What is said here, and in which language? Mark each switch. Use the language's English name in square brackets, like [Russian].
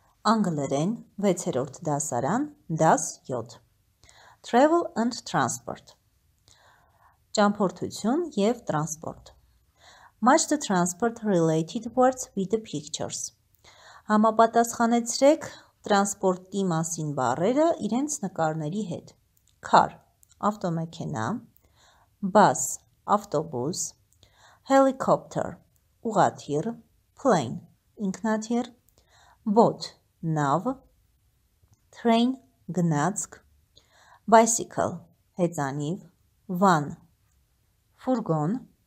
[Armenian] Անգլերեն 6-րդ դասարան, դաս 7. [English] Travel and transport. [Armenian] Ճամփորդություն եւ տրանսպորտ. [English] Match the transport related words with the pictures. [Armenian] Համապատասխանեցրեք տրանսպորտի մասին բառերը իրենց նկարների հետ. [English] Car, ավտոմեքենա, bus, ավտոբուս, helicopter, ուղղաթիռ, plane, ինքնաթիռ, boat, նավ, train, գնացք, bicycle, հեծանիվ, van, ֆուրգոն,